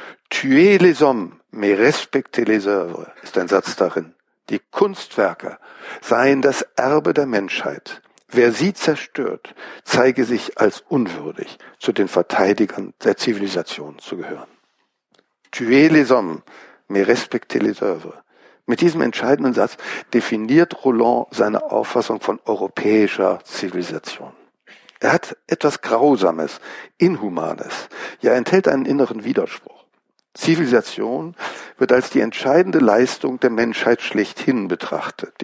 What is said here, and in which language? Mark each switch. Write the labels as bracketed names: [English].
[French] Tuez les hommes, mais respectez les œuvres, [German] ist ein Satz darin. Die Kunstwerke seien das Erbe der Menschheit. Wer sie zerstört, zeige sich als unwürdig, zu den Verteidigern der Zivilisation zu gehören. [French] Tuez les hommes, mais respectez les œuvres. [German] Mit diesem entscheidenden Satz definiert Rolland seine Auffassung von europäischer Zivilisation. Er hat etwas Grausames, Inhumanes, ja enthält einen inneren Widerspruch. Zivilisation wird als die entscheidende Leistung der Menschheit schlechthin betrachtet.